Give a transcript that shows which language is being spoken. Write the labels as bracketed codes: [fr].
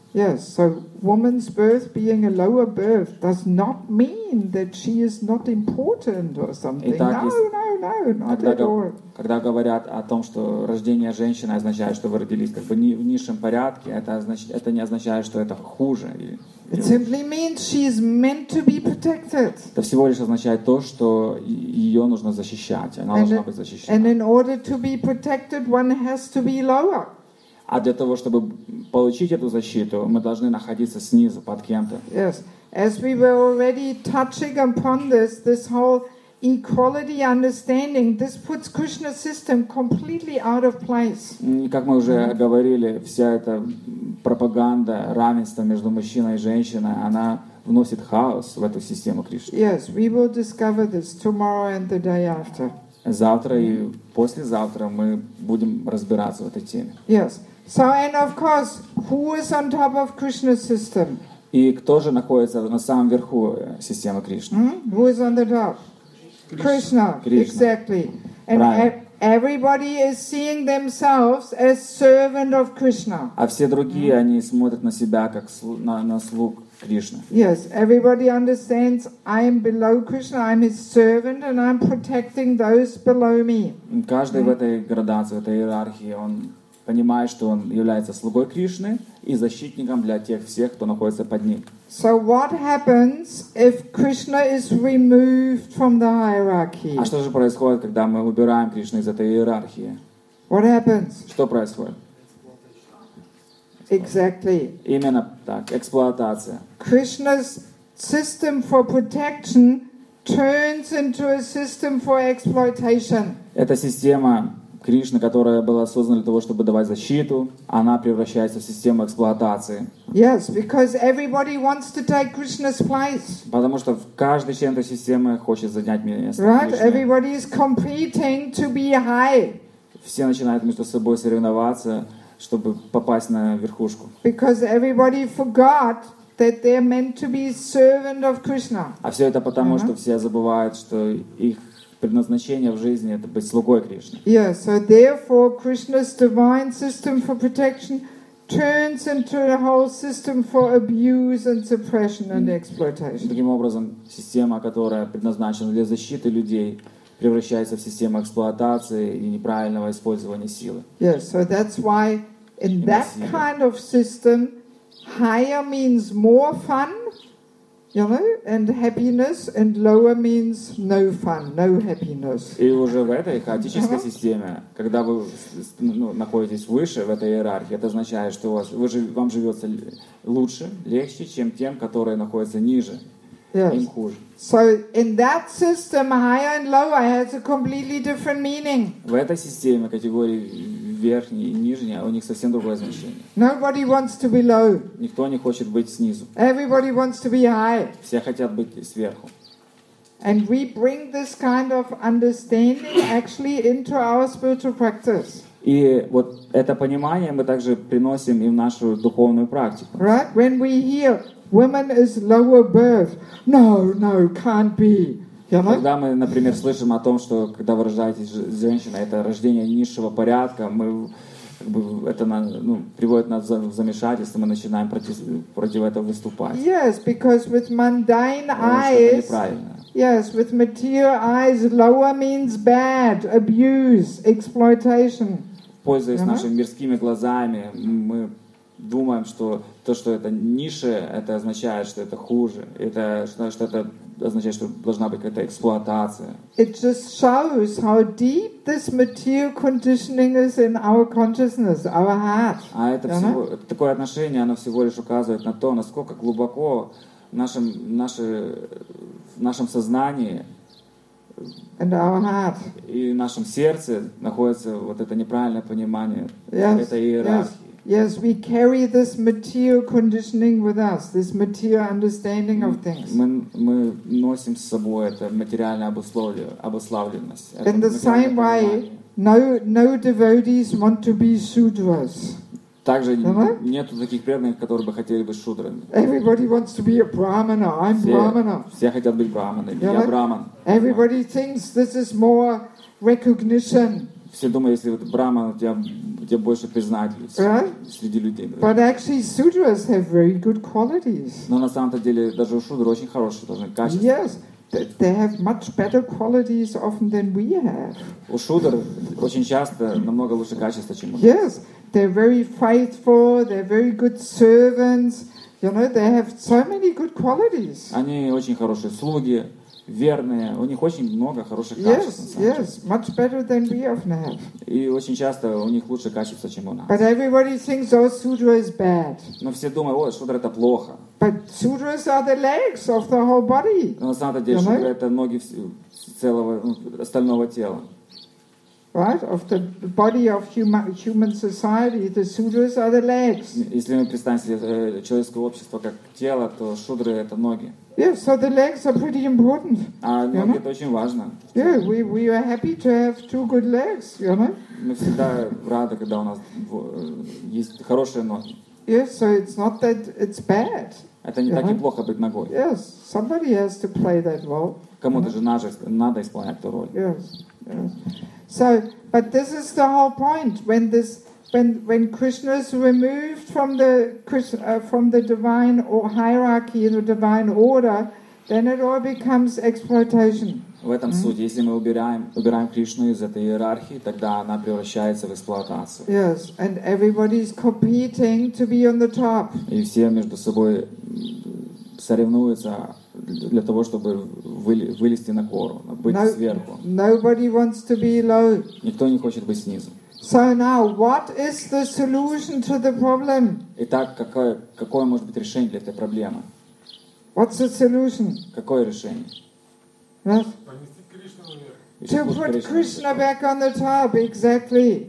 [en] Yes, so woman's birth being a lower birth does not mean that she is not important or something. [ru] Итак, [en] no, no, no, not at all. [ru] Когда говорят о том, что рождение женщины означает, что вы родились как бы в низшем порядке, это не означает, что это хуже. [en] It simply means she is meant to be protected. [ru] Это всего лишь означает то, что ее нужно защищать, она должна быть защищена. [en] And in order to be protected, one has to be lower. [ru] А для того, чтобы получить эту защиту, мы должны находиться снизу, под кем-то. [en] Yes, as we were already touching upon this, this whole equality understanding, this puts Krishna's system completely out of place. [ru] Как мы уже говорили, вся эта пропаганда равенства между мужчиной и женщиной, она вносит хаос в эту систему Кришны. [en] Yes, we will discover this tomorrow and the day after. [ru] Завтра и послезавтра мы будем разбираться в этой теме. [en] Yes. So and of course, who is on top of Krishna's system? [ru] И кто же находится на самом верху системы Кришны? [en] Mm-hmm. Who is on the top? Krishna, Krishna, exactly. And everybody is seeing themselves as servant of Krishna. [ru] А все другие, они смотрят на себя как на слуг Кришны. [en] Yes, everybody understands I am below Krishna, I'm his servant and I'm protecting those below me. [ru] Каждый в этой градации, в этой иерархии, он понимает, что он является слугой Кришны и защитником для тех всех, кто находится под ним. [en] So what happens if Krishna is removed from the hierarchy? [ru] А что же происходит, когда мы убираем Кришну из этой иерархии? [en] What happens? [ru] Что происходит? [en] Exactly. [ru] Именно так, эксплуатация. [en] Krishna's system for protection turns into a system for exploitation. [ru] Эта система Кришна, которая была создана для того, чтобы давать защиту, она превращается в систему эксплуатации. [en] Yes, because everybody wants to take Krishna's place. [ru] Потому что каждый член этой системы хочет занять место [en] Кришны. Right? Everybody is competing to be high. [ru] Все начинают между собой соревноваться, чтобы попасть на верхушку. [en] Because everybody forgot that they are meant to be servant of Krishna. [ru] А все это потому, что все забывают, что их предназначение в жизни — это быть слугой Кришны. [en] Yeah, so therefore Krishna's divine system for protection turns into a whole system for abuse and suppression and exploitation. [ru] Таким образом, система, которая предназначена для защиты людей, превращается в систему эксплуатации и неправильного использования силы. [en] Yeah, so that's why in that kind of system, higher means more fun. You know, and happiness, and lower means no fun, no happiness. [ru] И уже в этой хаотической системе, когда вы находитесь выше в этой иерархии, это означает, что у вас вам живется лучше, легче, чем тем, которые находятся ниже. [en] Yes. [ru] Им хуже. [en] So in that system, higher and lower has a completely different meaning. [ru] В этой системе категории верхний и нижний, у них совсем другое значение. [en] Nobody wants to be low. [ru] Никто не хочет быть снизу. [en] Everybody wants to be high. [ru] Все хотят быть сверху. [en] And we bring this kind of understanding actually into our spiritual practice. [ru] И вот это понимание мы также приносим и в нашу духовную практику. [en] Right? When we hear woman is lower birth. No, no, can't be. [ru] Когда мы, например, слышим о том, что когда вы рождаетесь женщиной, это рождение низшего порядка, мы как бы, это приводит нас в замешательство, мы начинаем против этого выступать. [en] Yes, because with mundane eyes, yes, with material eyes, lower means bad, abuse, exploitation. [ru] Пользуясь нашими мирскими глазами, мы думаем, что то, что это ниша, это означает, что это хуже. Это означает, что должна быть какая-то эксплуатация. [en] It just shows how deep this material conditioning is in our consciousness, our heart. [ru] А это такое отношение, оно всего лишь указывает на то, насколько глубоко в нашем сознании [en] and our heart. [ru] И в нашем сердце находится вот это неправильное понимание этой иерархии. [en] Yes, we carry this material conditioning with us, this material understanding of things. [ru] Мы носим с собой это материальное обусловленность. [en] In the same way, no devotees want to be sudras. [ru] Также нет таких преданных, которые бы хотели быть шудрами. [en] Everybody wants to be a brahmana. I'm brahmana. [ru] Все хотят быть брахманами. Я брахман. [en] Everybody thinks this is more recognition. [ru] Все думают, если вот брахман, тебе больше признательность среди людей. [en] But actually, sudras have very good qualities. [ru] Но на самом-то деле даже у шудр очень хорошие должны качества. [en] Yes, they have much better qualities often than we have. [ru] У шудр очень часто намного лучше качества, чем у нас. [en] Yes, they're very faithful. They're very good servants. You know, they have so many good qualities. [ru] Они очень хорошие слуги. Верные, у них очень много хороших качеств. [en] Yes, yes, much better than we often have. [ru] И очень часто у них лучше качество, чем у нас. [en] But everybody thinks, oh, sudra is bad. [ru] Но все думают, о, шудра это плохо. [en] But sudras are the legs of the whole body. [ru] Но на самом деле шудра это ноги целого остального тела. [en] Right, of the body of human society, the sudras are the legs. [ru] Если мы представим себе человеческое общество как тело, то шудры это ноги. [en] Yeah, so the legs are pretty important. [ru] А ноги [en] know? [ru] Это очень важно. [en] Yeah, we are happy to have two good legs, you know. [ru] Мы всегда рады, когда у нас есть хорошие ноги. [en] Yes, so it's not that it's bad. [ru] Это не так и плохо быть ногой. [en] Yes, somebody has to play that role. [ru] Кому-то же надо исполнять эту роль. [en] Yes, yes. So, but this is the whole point. When Krishna is removed from the divine or hierarchy in the divine order, then it all becomes exploitation. [ru] В этом суть. Если мы убираем Кришну из этой иерархии, тогда она превращается в эксплуатацию. [en] Yes, and everybody is competing to be on the top. [ru] И все между собой соревнуются для того, чтобы вылезти на гору, быть сверху. [en] Nobody wants to be low. [ru] Никто не хочет быть снизу. [en] So now, what is the solution to the problem? [ru] Итак, какое может быть решение для этой проблемы? [en] What's the solution? [ru] Какое решение? [en] To put Krishna back on the top, exactly.